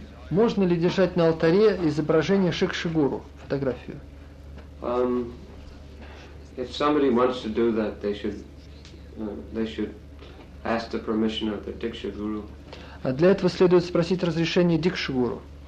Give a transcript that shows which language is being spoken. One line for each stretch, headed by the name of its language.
Russian: Можно ли держать на алтаре изображение Шикшигуру, фотографию?
English: If somebody wants to do that, they should ask the permission of the Dikshaguru.
Russian: А для этого следует спросить разрешение Дикшигуру.